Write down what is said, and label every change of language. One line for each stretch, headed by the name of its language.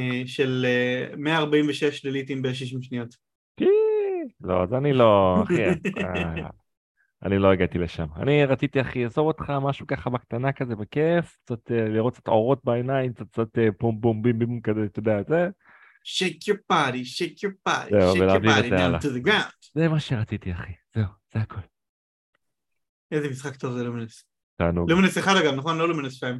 Hebrew: של 146 דליטים ב-60 שניות. לא, אז אני לא, אחי, אני לא הגעתי לשם. אני רציתי, אחי, אעזור אותך משהו ככה בקטנה כזה, בכיף, קצת לראות קצת אורות בעיניים, קצת פום בום בום בום כזה, אתה יודע, זה?
English: Shake your body, shake your body, shake your body down to the ground.
Hebrew: זה מה שרציתי, אחי, זהו, זה הכל. איזה משחק טוב זה לומינס. תענוג. לומינס אחד אגב, נכון? לא לומינס 2.